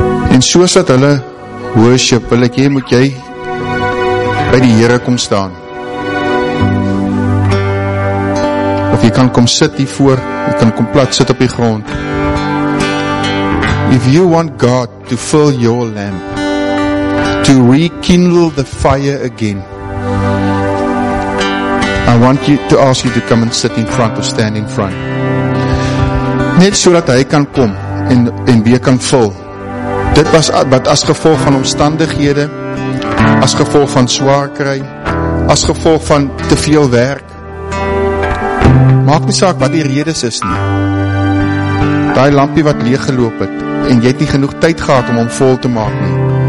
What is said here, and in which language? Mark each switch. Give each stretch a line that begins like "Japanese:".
Afrikaans: En soos dat hulle worship, wil ek jy moet jy by die Here kom staan. Of jy kan kom sit hier voor, jy kan kom plat sit op die grond.
English: If you want God to fill your lamp, to rekindle the fire again, I want you to ask you to come and sit in front or stand in front.
Afrikaans: Net so dat hy kan kom en weer kan vul. Dit was wat as gevolg van omstandighede, as gevolg van swaar kry, as gevolg van te veel werk. Maak nie saak wat die redes is nie. Daai lampie wat leeg geloop het en jy het nie genoeg tyd gehad om hom vol te maak nie.